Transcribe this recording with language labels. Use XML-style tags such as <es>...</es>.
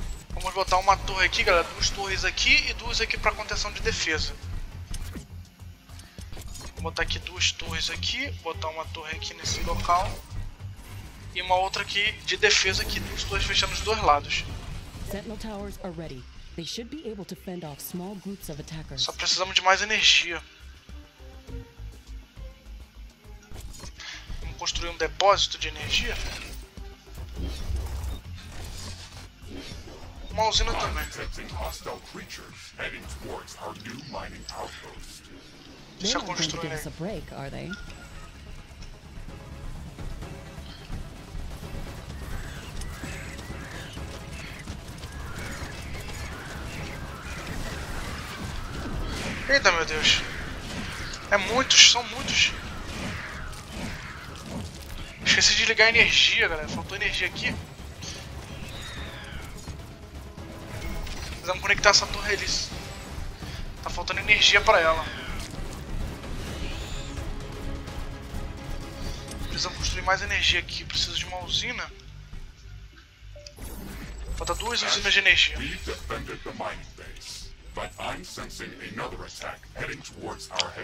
<pt>Vamos botar uma torre aqui, galera. Duas torres aqui e duas aqui pra contenção de defesa. Vou botar aqui duas torres aqui, botar uma torre aqui nesse local e uma outra aqui de defesa aqui, duas torres fechando os dois lados.</pt> <en>Sentinel towers are ready. They should be able to fend off small groups of attackers.</en> <pt>Só precisamos de mais energia. Vamos construir um depósito de energia. Uma usina também. Deixa eu construir. Deixa eu construir. Eita, meu Deus. É muitos, são muitos. Esqueci de ligar a energia, galera. Faltou energia aqui. Precisamos conectar essa torre ali. Tá faltando energia pra ela. Precisamos construir mais energia aqui, preciso de uma usina. Falta duas usinas de energia.</pt> <en>We defended the mining base, but I'm sensing another attack heading towards our headquarters.</en>